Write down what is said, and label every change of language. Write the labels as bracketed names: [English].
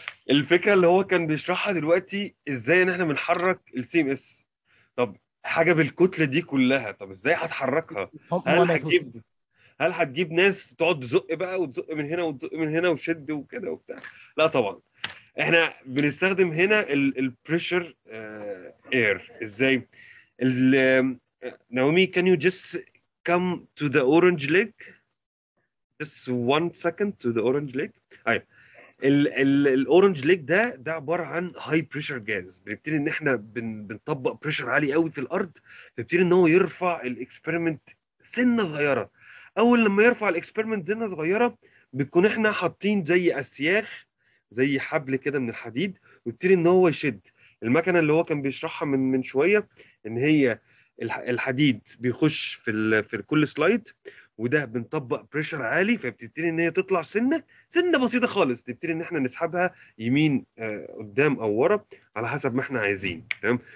[Arabic] الفكرة اللي هو كان بيشرحها دلوقتي ازاي ان احنا بنحرك الـ CMS. طب حاجة بالكتلة دي كلها. طب ازاي هتحركها؟ هل هتجيب ناس تقعد تزق بقى وتزق من هنا وتزق من هنا وشد وكده وبتاع؟ لا طبعا. احنا بنستخدم هنا الـ pressure air. ازاي؟ [English] Naomi, can you just come to the orange leg? Just one second to the orange leg. Hi. الـ orange leg [Arabic] ده عبارة عن [English] high pressure gas. [Arabic] بنبتدي ان احنا بنطبق pressure عالي قوي في الارض. بنبتدي ان هو يرفع الاكسبيرمنت سنة صغيرة. اول لما يرفع الاكسبيرمنت سنة صغيرة بيكون احنا حاطين زي اسياخ زي حبل كده من الحديد ويبتدي ان هو يشد. المكنة اللي هو كان بيشرحها من شوية ان هي الحديد بيخش في كل سلايد وده بنطبق بريشر عالي فبتبتدي ان هي تطلع سنه بسيطه خالص تبتدي ان احنا نسحبها يمين قدام او ورا على حسب ما احنا عايزين. تمام.